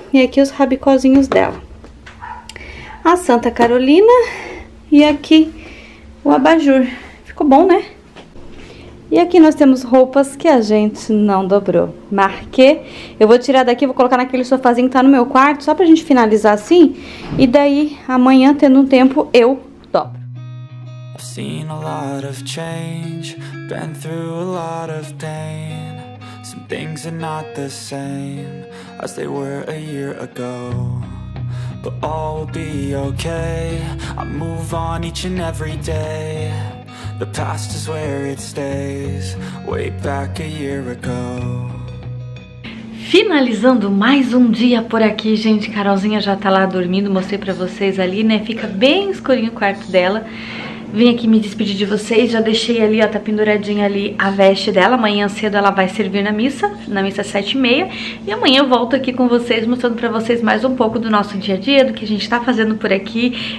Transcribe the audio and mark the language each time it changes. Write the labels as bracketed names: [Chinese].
[Portuguese] E aqui os rabicozinhos dela. A Santa Carolina e aqui o abajur. Ficou bom, né? E aqui nós temos roupas que a gente não dobrou. Marquê. Eu vou tirar daqui, vou colocar naquele sofazinho que tá no meu quarto, só pra gente finalizar assim. E daí, amanhã, tendo um tempo, eu dobro. [English] I've seen a lot of change, been through a lot of pain. Some things are not the same as they were a year ago. But all will be okay, I move on each and every day. The past is where it stays, way back a year ago. [Portuguese] Finalizando mais um dia por aqui, gente. Carolzinha já tá lá dormindo, mostrei pra vocês ali, né? Fica bem escurinho o quarto dela. Vim aqui me despedir de vocês, já deixei ali, ó, tá penduradinha ali a veste dela. Amanhã cedo ela vai servir na missa 7:30. E amanhã eu volto aqui com vocês, mostrando pra vocês mais um pouco do nosso dia a dia, do que a gente tá fazendo por aqui.